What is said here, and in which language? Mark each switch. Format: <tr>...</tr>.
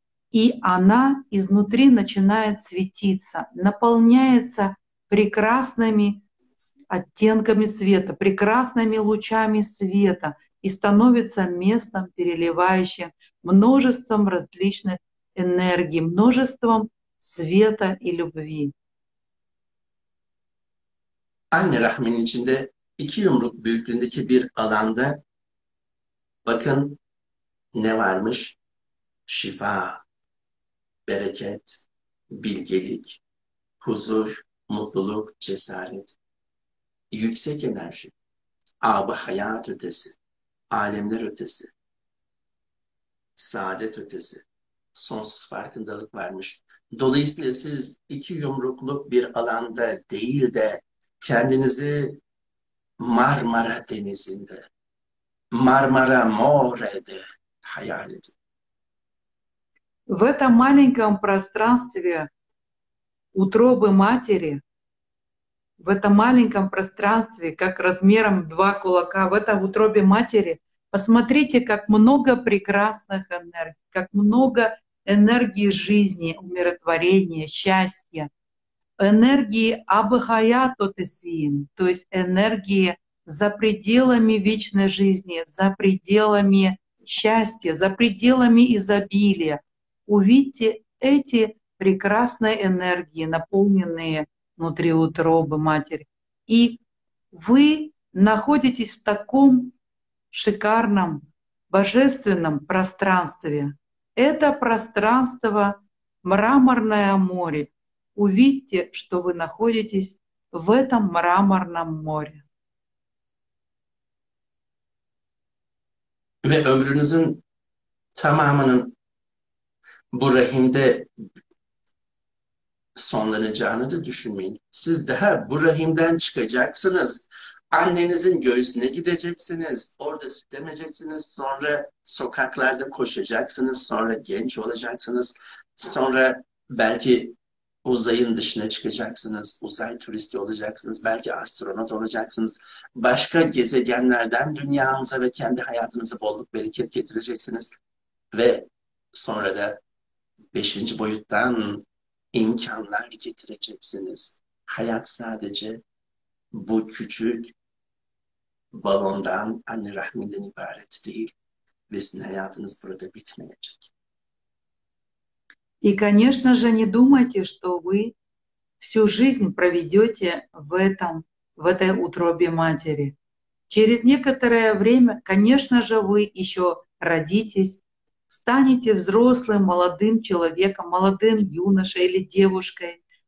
<ru>И она изнутри начинает светиться, наполняется прекрасными оттенками света, прекрасными лучами света, и становится местом, переливающим множеством различных энергий, множеством света и любви.</ru> <tr>Anne rahminin içinde iki yumruk büyüklüğündeki bir alanda bakın ne varmış? Şifa, bereket, bilgelik, huzur, mutluluk, cesaret, yüksek enerji, ab-ı hayat ötesi, alemler ötesi, saadet ötesi, sonsuz farkındalık varmış. Dolayısıyla siz iki yumrukluk bir alanda değil de kendinizi Marmara Denizi'nde, Marmara More'de hayal edin.</tr> <ru>В этом маленьком пространстве утробы матери, в этом маленьком пространстве, как размером два кулака, в этом утробе матери, посмотрите, как много прекрасных энергий, как много энергии жизни, умиротворения, счастья, энергии абхаят отесим, то есть энергии за пределами вечной жизни, за пределами счастья, за пределами изобилия. Увидьте эти прекрасные энергии, наполненные внутри утробы матери. И вы находитесь в таком шикарном, божественном пространстве. Это пространство мраморное море. Увидьте, что вы находитесь в этом мраморном море.</ru> <tr>Ve ömrünüzün tamamının bu rahimde sonlanacağını da düşünmeyin. Siz daha bu rahimden çıkacaksınız. Annenizin göğsüne gideceksiniz. Orada sütemeyeceksiniz. Sonra sokaklarda koşacaksınız. Sonra genç olacaksınız. Sonra belki uzayın dışına çıkacaksınız. Uzay turisti olacaksınız. Belki astronot olacaksınız. Başka gezegenlerden dünyanıza ve kendi hayatınıza bolluk bereket getireceksiniz. Ve sonra da beşinci boyuttan imkanlar getireceksiniz. Hayat sadece bu küçük balondan, anne rahminden ibaret değil. Ve sizin hayatınız burada bitmeyecek.</tr> <ru>И, конечно же, не думайте, что вы всю жизнь проведете в этой утробе матери. Через некоторое время, конечно же, вы еще родитесь, станете взрослым, молодым человеком, молодым юношей или девушкой.</ru>